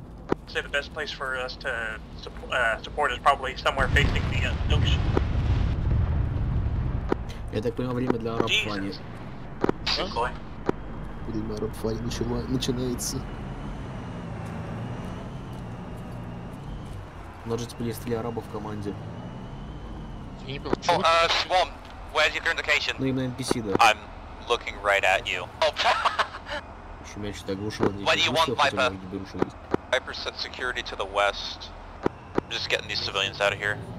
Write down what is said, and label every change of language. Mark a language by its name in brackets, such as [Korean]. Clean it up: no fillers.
[English] I'd say the best place for us to support is probably somewhere facing the ocean. [Russian] Я так понимаю, время для араб фани. Что? Время араб фани начинается. У нас же теперь есть три араба в команде. [English] Swamp, where's your current location? [Russian] Ну именно NPC, да. [English] I'm looking right at you. [Russian] Еще меня что-то оглушило. [English] What do you want, Viper? Viper set security to the west. I'm just getting these civilians out of here.